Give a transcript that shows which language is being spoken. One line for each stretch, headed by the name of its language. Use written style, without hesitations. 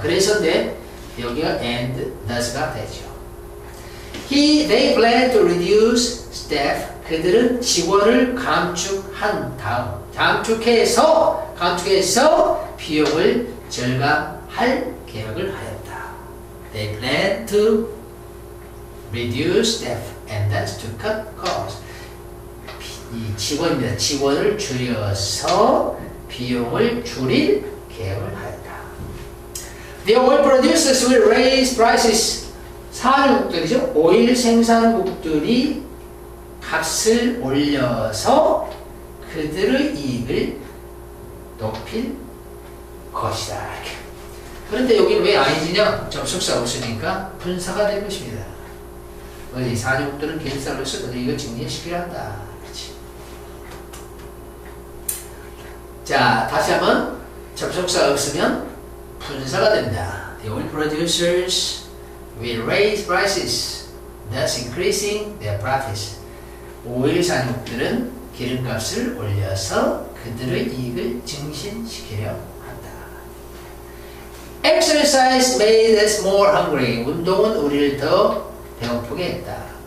Korean: 그래서 내 여기가 and does가 되죠.
English: They plan to reduce staff.
Korean: 그들은 직원을 감축한 다음 감축해서 비용을 절감할 계획을 하였다.
English: They plan to reduce staff and thus to cut costs.
Korean: 직원입니다. 직원을 줄여서 비용을 줄일 계획을 하였다.
English: The oil producers will raise prices.
Korean: 산업국들이죠. 오일 생산국들이 값을 올려서 그들의 이익을 높일 것이다. 그런데 여기는 왜 ing냐? 접속사 없으니까 분사가 될 것입니다. 이 산업국들은 개인사로 쓰거든. 이거 증명이 필요하다. 자, 다시 한번 접속사 없으면 분사가 됩니다.
English: The oil producers will raise prices, thus increasing their profits.
Korean: 오일 산업들은 기름값을 올려서 그들의 이익을 증진시키려 한다.
English: Exercise made us more hungry.
Korean: 운동은 우리를 더 배고프게 했다.